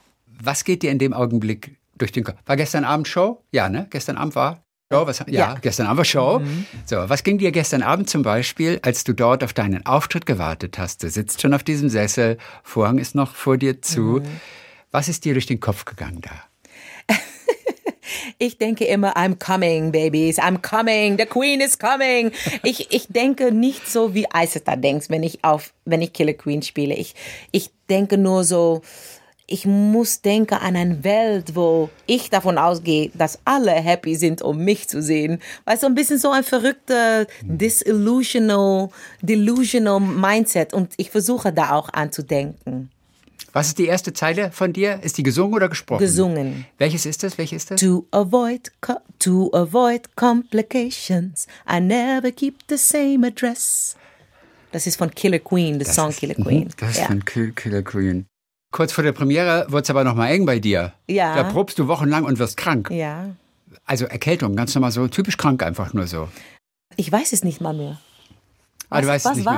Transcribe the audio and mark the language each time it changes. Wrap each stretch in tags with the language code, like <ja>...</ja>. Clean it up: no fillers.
<de>Was geht dir in dem Augenblick durch den Kopf? War gestern Abend Show? Ja, ne? Gestern Abend war Show? Was, ja, ja, gestern Abend war Show. Mhm. So, was ging dir gestern Abend zum Beispiel, als du dort auf deinen Auftritt gewartet hast? Du sitzt schon auf diesem Sessel, Vorhang ist noch vor dir zu. Mhm. Was ist dir durch den Kopf gegangen da? Ich denke immer,</de> <en>I'm coming, babies, I'm coming, the queen is coming.</en> <de>Ich denke nicht so, wie Isetta denkt, wenn ich Killer Queen spiele. Ich denke nur so, ich muss denken an eine Welt, wo ich davon ausgehe, dass alle happy sind, um mich zu sehen. Weil so ein bisschen so ein verrückter, delusional Mindset. Und ich versuche da auch anzudenken. Was ist die erste Zeile von dir? Ist die gesungen oder gesprochen? Gesungen. Welches ist das? Welches ist das?</de> <en>To avoid complications, I never keep the same address.</en> <de>Das ist von Killer Queen, Killer Queen. Das ist ja. Von Killer Queen. Kurz vor der Premiere wird es aber noch mal eng bei dir. Ja. Da probst du wochenlang und wirst krank. Ja. Also Erkältung, ganz normal so, typisch krank einfach nur so. Ich weiß es nicht mal mehr. Ah, du weißt es nicht mehr.</de>